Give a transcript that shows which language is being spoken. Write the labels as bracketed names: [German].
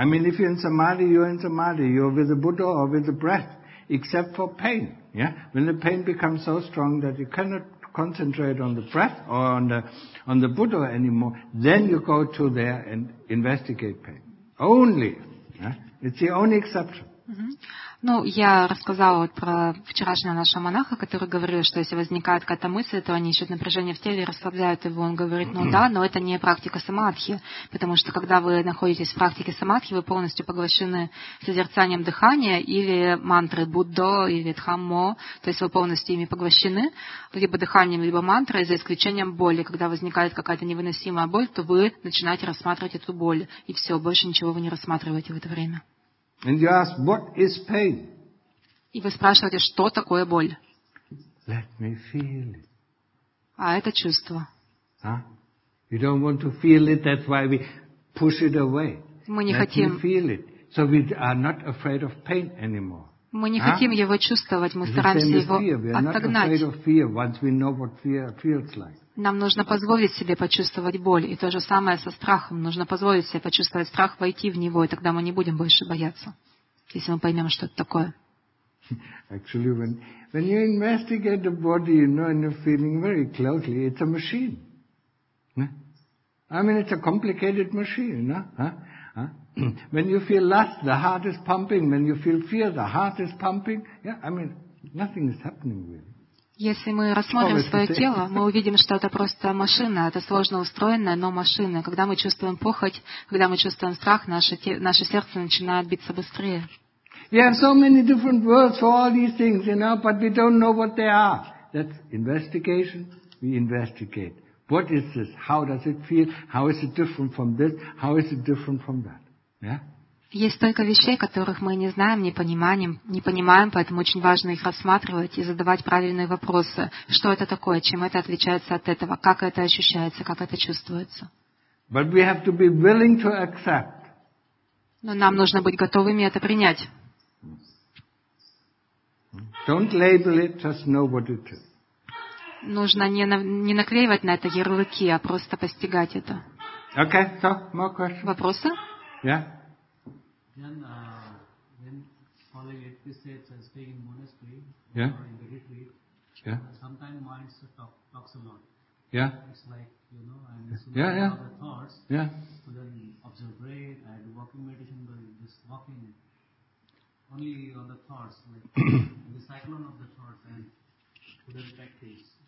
[English] I mean, if you're in samadhi, you're in samadhi. You're with the Buddha or with the breath. Except for pain, yeah? When the pain becomes so strong that you cannot concentrate on the breath or on the Buddha anymore, then you go to there and investigate pain. Only, yeah? It's the only exception. Mm-hmm. [Russian] Ну, я рассказала вот про вчерашнего нашего монаха, который говорил, что если возникает какая-то мысль, то они ищут напряжение в теле и расслабляют его. Он говорит, ну да, но это не практика самадхи, потому что когда вы находитесь в практике самадхи, вы полностью поглощены созерцанием дыхания или мантры Буддо или Дхаммо, то есть вы полностью ими поглощены, либо дыханием, либо мантрой, за исключением боли. Когда возникает какая-то невыносимая боль, то вы начинаете рассматривать эту боль, и все, больше ничего вы не рассматриваете в это время. [English] And you ask, what is pain? [Russian] И вы спрашиваете, что такое боль? [English] Let me feel it. [Russian] А это чувство. Huh? [English] You don't want to feel it, that's why we push it away. [Russian] Мы не [English] Let [Russian] хотим. [English] Me feel it. So we are not afraid of pain anymore. [Russian] Мы не хотим его чувствовать, мы стараемся его отогнать. [English] Not afraid of fear once we know what fear feels like. [Russian] Нам нужно позволить себе почувствовать боль. И то же самое со страхом. Нужно позволить себе почувствовать страх, войти в него, и тогда мы не будем больше бояться, если мы поймем, что это такое. [English] Actually, when you investigate the body, you know, and you're feeling very closely, it's a machine. I mean, it's a complicated machine, you know? When you feel lust, the heart is pumping. When you feel fear, the heart is pumping. Yeah, I mean, nothing is happening really. [Russian] Если мы рассмотрим свое тело, мы увидим, что это просто машина, это сложно устроенная, но машина. Когда мы чувствуем похоть, когда мы чувствуем страх, наше сердце начинает биться быстрее. [English] We have so many different words for all these things, you know, but we don't know what they are. That's investigation, we investigate. What is this? How does it feel? How is it different from this? How is it different from that? Yeah? [Russian] Есть столько вещей, которых мы не знаем, не понимаем, поэтому очень важно их рассматривать и задавать правильные вопросы. Что это такое? Чем это отличается от этого? Как это ощущается? Как это чувствуется? [English] But we have to be willing to accept. [Russian] Но нам нужно быть готовыми это принять. [English] Don't label it, just know what it is. [Russian] Нужно не наклеивать на это ярлыки, а просто постигать это. [English] Okay, so more questions. [Russian] Вопросы? [English] Yeah. Then, when following episodes and staying in monastery, yeah. Or in the retreat, yeah. Sometimes mind talks a lot. Yeah. It's like, you know, I'm listening to other thoughts. Yeah. So then observe it, I do walking meditation, but just walking only on the thoughts, like the cyclone of the thoughts, and couldn't practice.